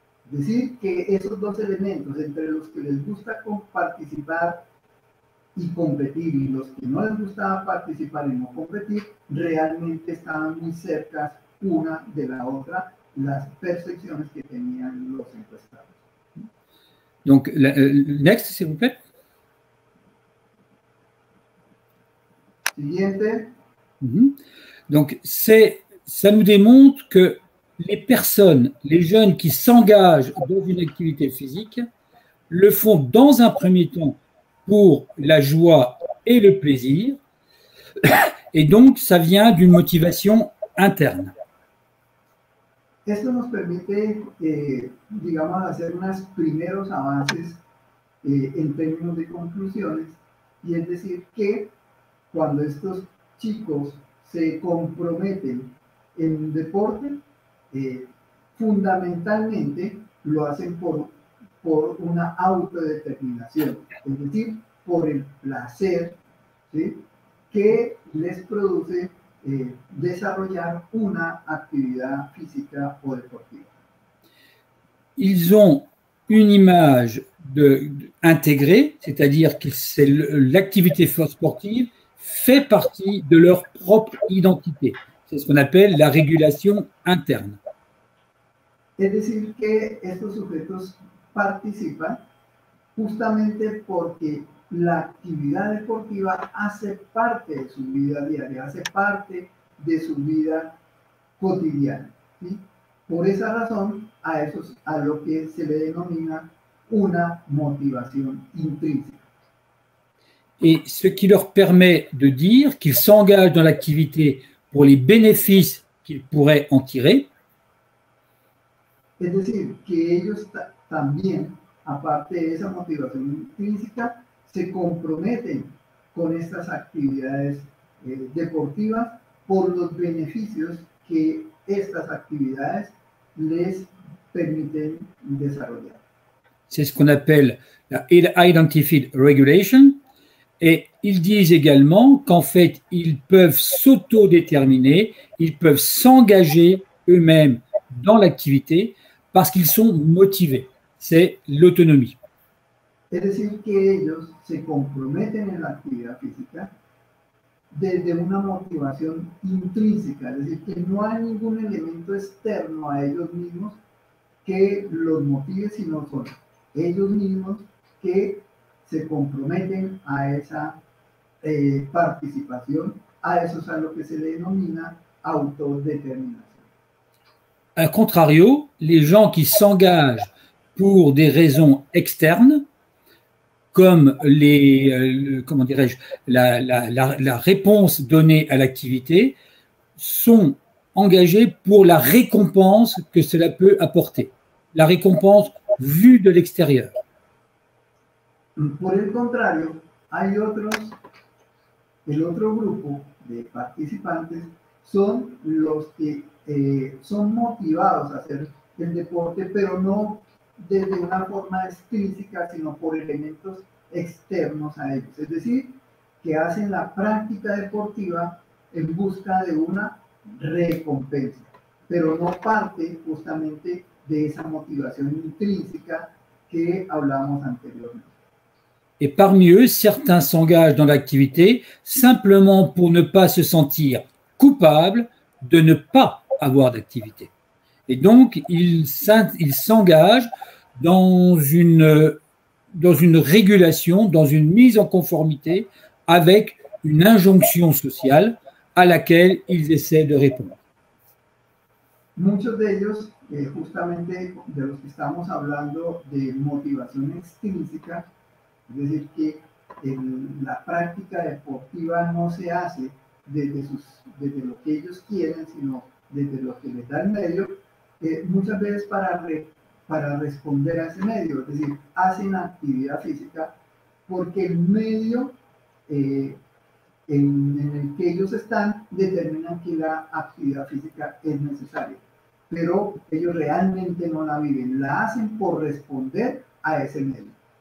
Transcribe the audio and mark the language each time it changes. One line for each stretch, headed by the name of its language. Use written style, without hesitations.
Spanish: Es decir, que esos dos elementos, entre los que les gusta participar y competir y los que no les gustaba participar y no competir, realmente estaban muy cerca una de la otra las percepciones que tenían los encuestados.
French: Donc, next, s'il vous plaît.
Spanish: Siguiente.
French: Donc, ça nous démontre que les personnes, les jeunes qui s'engagent dans une activité physique, le font dans un premier temps pour la joie et le plaisir, et donc ça vient d'une motivation interne.
Spanish: Esto nos permite, digamos, hacer unos primeros avances en términos de conclusiones, y es decir que cuando estos chicos se comprometen en deporte, fundamentalmente lo hacen por una autodeterminación, es decir, por el placer, ¿sí?, que les produce desarrollar una actividad física o deportiva.
French: Ils ont une image intégrée, c'est-à-dire que c'est l'activité sportive fait partie de leur propre identité. C'est ce qu'on appelle la régulation interne.
Spanish: Es decir que estos sujetos participan justamente porque la actividad deportiva hace parte de su vida diaria, hace parte de su vida cotidiana. ¿Sí? Por esa razón, a lo que se le denomina una motivación intrínseca.
French: Et ce qui leur permet de dire qu'ils s'engagent dans l'activité pour les bénéfices qu'ils pourraient en tirer.
Spanish: Es decir, que ellos también, aparte de esa motivación intrínseca, se comprometen con estas actividades deportivas por los beneficios que estas actividades les permiten desarrollar.
French: C'est ce qu'on appelle la Identified Regulation. Et ils disent également qu'en fait, ils peuvent s'auto-déterminer, ils peuvent s'engager eux-mêmes dans l'activité parce qu'ils sont motivés. C'est l'autonomie. C'est-à-dire qu'ils se comprometent en l'activité physique
Spanish: desde una motivación intrínseca.
French: C'est-à-dire que
Spanish: no hay ningún elemento externo a ellos mismos que los motive, sino son ellos mismos que se comprometen a esa participación, a eso es a lo que se le denomina autodeterminación.
French: A contrario, les gens qui s'engagent pour des raisons externes, comme la réponse donnée à l'activité, sont engagés pour la récompense que cela peut apporter, la récompense vue de l'extérieur.
Spanish: Por el contrario, hay otros, el otro grupo de participantes son los que son motivados a hacer el deporte, pero no desde una forma extrínseca, sino por elementos externos a ellos. Es decir, que hacen la práctica deportiva en busca de una recompensa, pero no parte justamente de esa motivación intrínseca que hablamos anteriormente.
French: Et parmi eux, certains s'engagent dans l'activité simplement pour ne pas se sentir coupable de ne pas avoir d'activité. Et donc, ils s'engagent dans une régulation, dans une mise en conformité avec une injonction sociale à laquelle ils essaient de répondre.
Spanish: Muchos de ellos, justamente de los que estamos hablando de motivación extrínseca, es decir, que la práctica deportiva no se hace desde lo que ellos quieren, sino desde lo que les da el medio, muchas veces para responder a ese medio, es decir, hacen actividad física porque el medio en el que ellos están determina que la actividad física es necesaria, pero ellos realmente no la viven, la hacen por responder a ese medio.